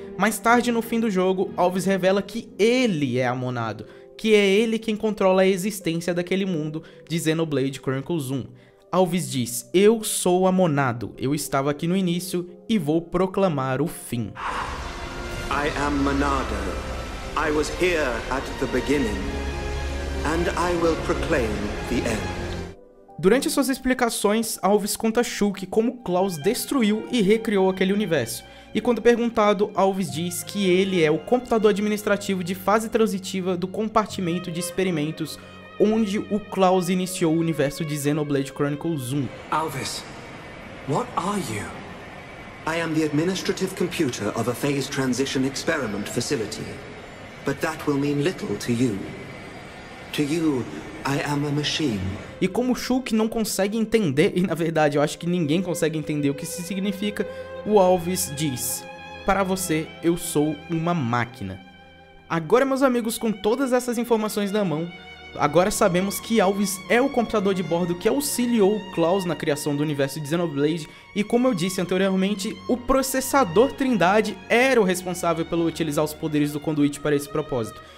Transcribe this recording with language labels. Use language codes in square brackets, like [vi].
[pt] Mais tarde, no fim do jogo, Alves revela que ele é a Monado, que é ele quem controla a existência daquele mundo de Xenoblade Chronicles 1. Alves diz: "Eu sou a Monado, eu estava aqui no início e vou proclamar o fim." [en] I am Monado. I was here at the beginning. And I will proclaim the end. [pt] Durante suas explicações, Alves conta Shulk como Klaus destruiu e recriou aquele universo. E quando perguntado, Alves diz que ele é o computador administrativo de fase transitiva do compartimento de experimentos onde o Klaus iniciou o universo de Xenoblade Chronicles 1. [en] Alves, what are you? I am the administrative computer of a phase transition experiment facility. But that will mean little to you. To you, I am a machine. [pt] E como Shulk não consegue entender, e na verdade eu acho que ninguém consegue entender o que isso significa, o Alves diz: "Para você, eu sou uma máquina." Agora, meus amigos, com todas essas informações na mão, agora sabemos que Alves é o computador de bordo que auxiliou Klaus na criação do universo de Xenoblade, e como eu disse anteriormente, o processador Trindade era o responsável pelo utilizar os poderes do conduíte para esse propósito.